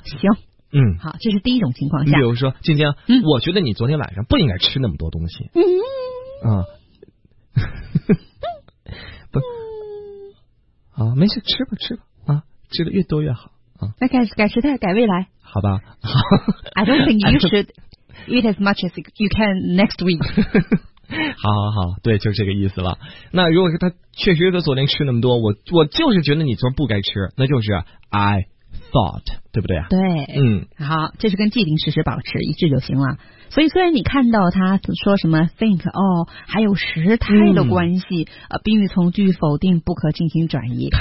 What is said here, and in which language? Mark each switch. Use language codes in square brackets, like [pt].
[zh] 行。好，这是第一种情况下。你比如说，静静，我觉得你昨天晚上不应该吃那么多东西。不，没事，吃吧吃吧啊，吃的越多越好啊。那改时态，改未来。好吧。 [en] I don't think you should eat as much as you can next week. [zh] 好好好，对，就是这个意思了。那如果是他确实他昨天吃那么多，我就是觉得你昨天不该吃，那就是 [en] I thought， [zh] 对不对啊？对，嗯，好，这是跟既定事实保持一致就行了。所以虽然你看到他说什么 think 哦，还有时态的关系，宾语从句否定不可进行转移，